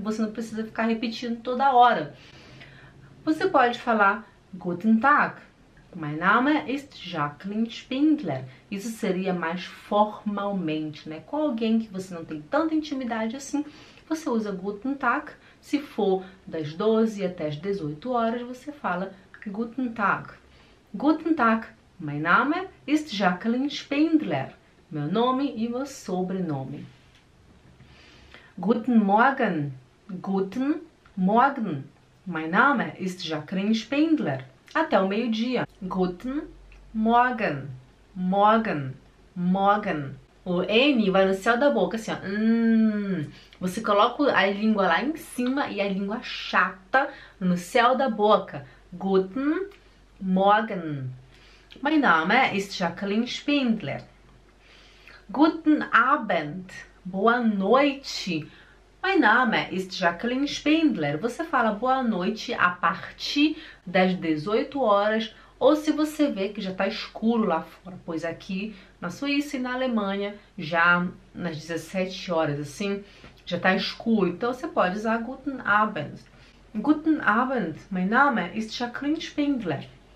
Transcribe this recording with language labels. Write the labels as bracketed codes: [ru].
[pt] Você não precisa ficar repetindo toda hora. Você pode falar [de] Guten Tag, mein Name ist Jacqueline Spindler. [pt] Isso seria mais formalmente, né? Com alguém que você não tem tanta intimidade assim. Você usa [de] Guten Tag. [pt] Se for das 12 até as 18 horas, você fala Guten Tag. [de] Guten Tag, mein Name ist Jacqueline Spindler. [pt] Meu nome e meu sobrenome. [de] Guten Morgen. Guten Morgen. Mein Name ist Jacqueline Spindler. [pt] Até o meio-dia. [de] Guten Morgen. Morgen. Morgen. [pt] O N vai no céu da boca, assim, ó. Você coloca a língua lá em cima e a língua chata no céu da boca. [de] Guten Morgen. Mein Name ist Jacqueline Spindler. Guten Abend. [pt] Boa noite. [de] Mein Name ist Jacqueline Spindler. [pt] Você fala boa noite a partir das 18 horas ou se você vê que já tá escuro lá fora, pois aqui na Suíça e na Alemanha, já nas 17 horas, assim, já tá escuro. Então você pode usar [de] Guten Abend. Guten Abend, mein Name ist Jacqueline Spindler.